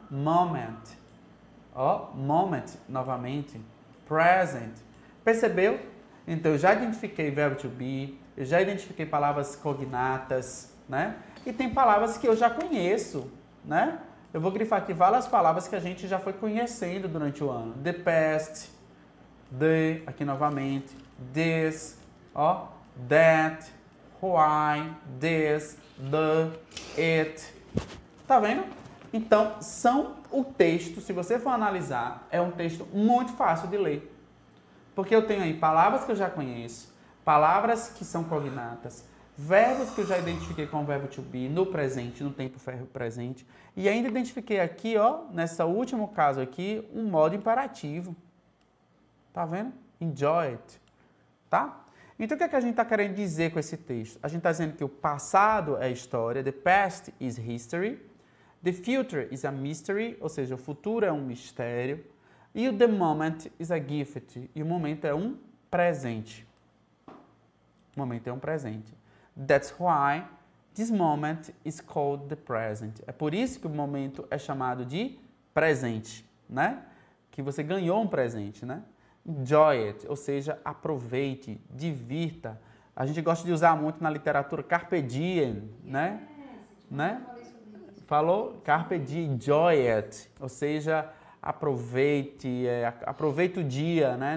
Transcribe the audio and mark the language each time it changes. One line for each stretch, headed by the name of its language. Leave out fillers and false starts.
Portuguese: Moment, ó, moment, novamente, present. Percebeu? Então, eu já identifiquei verbo to be. Eu já identifiquei palavras cognatas, né? E tem palavras que eu já conheço, né? Eu vou grifar aqui várias palavras que a gente já foi conhecendo durante o ano.
English: The past, the,
Portuguese: aqui novamente,
English: this, ó, that, why, this, the, it.
Portuguese: Tá vendo? Então, são o texto, se você for analisar, é um texto muito fácil de ler. Porque eu tenho aí palavras que eu já conheço, palavras que são cognatas, verbos que eu já identifiquei com o verbo to be no presente, no tempo presente, e ainda identifiquei aqui, ó, nesse último caso aqui, um modo imperativo. Tá vendo?
English: Enjoy it.
Portuguese: Tá? Então, o que é que a gente tá querendo dizer com esse texto? A gente tá dizendo que o passado é história,
English: the past is history, the future is a mystery,
Portuguese: ou seja, o futuro é um mistério, e o
English: the moment is a gift,
Portuguese: e o momento é um presente. O momento é um presente.
English: That's why this moment is called the present.
Portuguese: É por isso que o momento é chamado de presente, né? Que você ganhou um presente, né?
English: Enjoy it,
Portuguese: ou seja, aproveite, divirta. A gente gosta de usar muito na literatura carpe diem, né? Né? Falei sobre isso. Falou? Carpe diem,
English: enjoy it,
Portuguese: ou seja, aproveite, aproveite o dia, né?